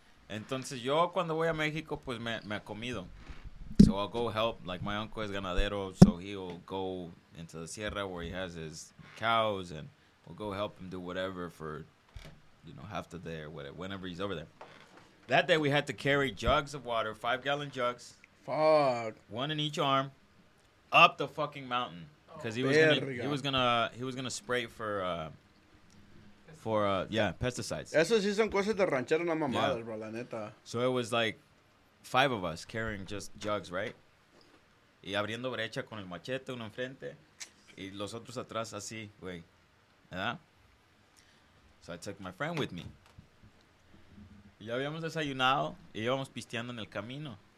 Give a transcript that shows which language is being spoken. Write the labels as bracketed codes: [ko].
[es] Entonces, yo cuando voy a México, pues me ha comido. [en] So I'll go help. Like, my uncle is ganadero, so he'll go into the sierra where he has his cows, and we'll go help him do whatever for, you know, half the day or whatever, whenever he's over there. That day, we had to carry jugs of water, 5-gallon jugs. Fuck. One in each arm, up the fucking mountain, because he was gonna spray for pesticides. [es] Eso sí son cosas de ranchero, no mamadas, [en] yeah. [es] Bro, la neta. [en] So it was like 5 of us carrying just jugs, right? [es] Y abriendo brecha con el machete uno enfrente, y los otros atrás así, güey. [en] Yeah. So I took my friend with me. [es] Y ya habíamos desayunado y íbamos pisteando en el camino.